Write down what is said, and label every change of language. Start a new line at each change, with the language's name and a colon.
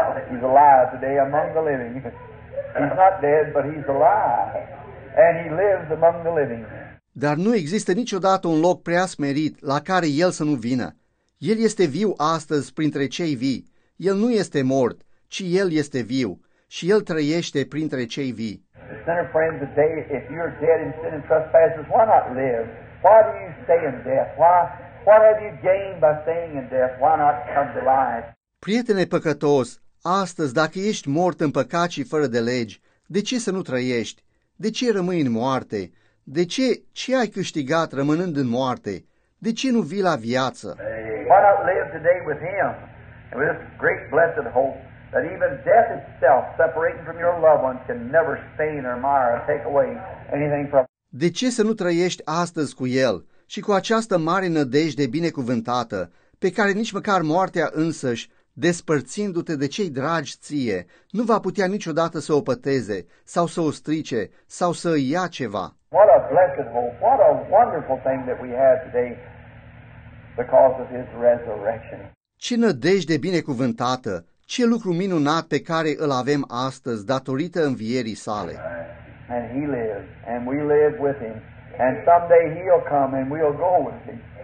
English: He's alive today among the living. He's not dead, but he's alive. And he lives among the living.
Romanian: Dar nu există niciodată un loc prea smerit la care el să nu vină. El este viu astăzi printre cei vii. El nu este mort, ci el este viu și el trăiește printre cei vii.
English: the sinner friend today, if you're dead in sin and trespasses, why not live? Why do you stay in death? Why? What have you gained by staying in death? Why not come to life?
Romanian: Prietene păcătos, astăzi, dacă ești mort în păcat și fără de legi, de ce să nu trăiești? De ce rămâi în moarte? De ce? Ce ai câștigat rămânând în moarte? De ce nu vii la viață?
English: Why not live today with him? And with this great blessed hope that even death itself, separating from your loved ones, can never stain or mire or take away anything from you.
Romanian: De ce să nu trăiești astăzi cu el și cu această mare nădejde binecuvântată, pe care nici măcar moartea însăși, despărțindu-te de cei dragi ție, nu va putea niciodată să o păteze, sau să o strice, sau să îi ia ceva.
English: What a blessed hope, what a wonderful thing that we have today because of his resurrection.
Romanian: Ce nădejde binecuvântată, ce lucru minunat pe care îl avem astăzi datorită învierii sale.
English: And he lives, and we live with him, and someday he'll come and we'll go with him.